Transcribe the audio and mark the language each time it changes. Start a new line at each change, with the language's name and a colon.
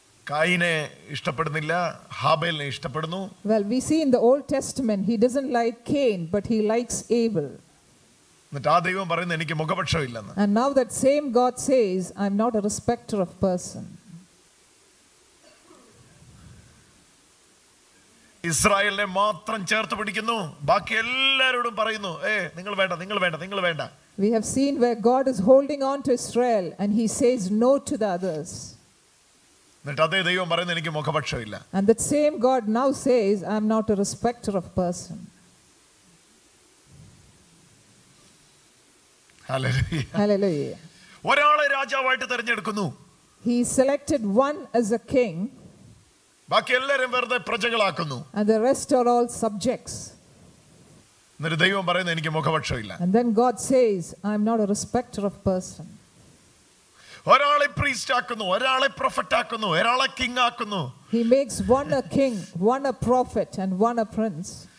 Malayalam: കയിനെ ഇഷ്ടപ്പെടുന്നില്ല, ഹാബേലിനെ ഇഷ്ടപ്പെടുന്നു.
English: Well, we see in the Old Testament he doesn't like Cain but he likes Abel.
Malayalam: എന്നാൽ ദൈവം പറയുന്നു എനിക്ക് മുഖപക്ഷം ഇല്ലെന്ന്.
English: And now that same God says I'm not a respecter of persons.
Malayalam: ഇസ്രായേലിനെ മാത്രം ചേർത്ത് പിടിക്കുന്നു ബാക്കി എല്ലാവരോടും പറയുന്നു ഏ നിങ്ങൾ വേണ്ട നിങ്ങൾ വേണ്ട നിങ്ങൾ വേണ്ട
English: We have seen where God is holding on to Israel and he says no to the others
Malayalam: എന്നിട്ട് അതേ ദൈവം പറയുന്നു എനിക്ക് മുഖപക്ഷം ഇല്ല
English: And that same God now says I am not a respecter of person
Malayalam: Hallelujah ഒരാളെ രാജാവായിട്ട് തിരഞ്ഞെടുക്കുന്നു
English: He selected one as a king
Malayalam: ബാക്കി എല്ലാവരും വെറുതെ പ്രജകളാക്കുന്നു
English: and the rest are all subjects
Malayalam: എന്നിട്ട് ദൈവം പറയുന്നു എനിക്ക് മുഖപക്ഷം ഇല്ല
English: and then god says I'm not a respecter of person
Malayalam: ഒരാളെ പ്രീസ്റ്റ് ആക്കുന്നു ഒരാളെ പ്രൊഫറ്റ് ആക്കുന്നു ഒരാളെ കിംഗ് ആക്കുന്നു
English: he makes one a king one a prophet and one a prince